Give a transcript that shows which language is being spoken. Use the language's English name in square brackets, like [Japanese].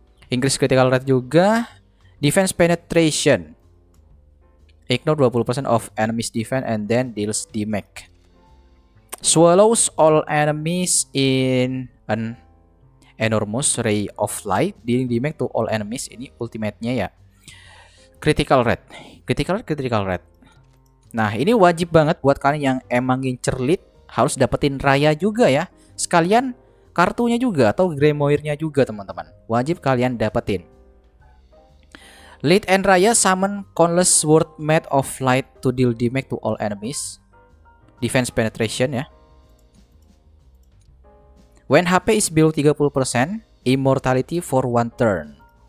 [English] Increase critical rate [Indonesian] juga. [English] Defense penetration. Ignore 20% of enemy's defense and then deals damage. Swallows all enemies in an enormous ray of light during damage to all enemies. [Indonesian] Ini ultimate-nya ya. Critical rate. Nah, ini wajib banget buat kalian yang emang ngincer lead, harus dapetin Raya juga ya. Sekalian kartunya juga atau Grimoire-nya juga, teman-teman. Wajib kalian dapetin. [English] Lead and Raya summon countless sword made of light to deal damage to all enemies. [Indonesian] Defense penetration ya. [English] When HP is below 30%, immortality for one turn.